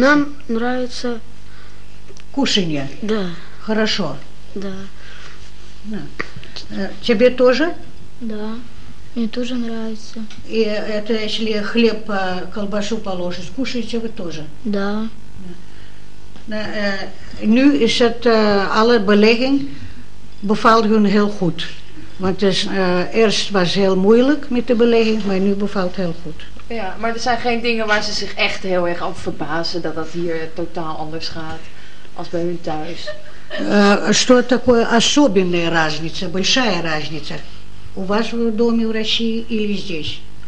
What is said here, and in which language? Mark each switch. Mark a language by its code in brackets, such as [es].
[ru] Нам нравится... Кушанье? Да. Хорошо. Да. Да. Тебе тоже? Да, мне тоже нравится. И это если хлеб по колбасу положить, кушаете вы тоже? Да. Да. [nl] Nu is het alle belegging bevalt hun heel goed. Want het is, eerst was heel moeilijk met de belegging, maar nu bevalt heel goed. Ja, maar er zijn geen dingen waar ze zich echt heel erg op verbazen dat dat hier totaal anders gaat als bij hun thuis. [ru] Что такое особенная разница, большая разница у вас в доме в России или здесь?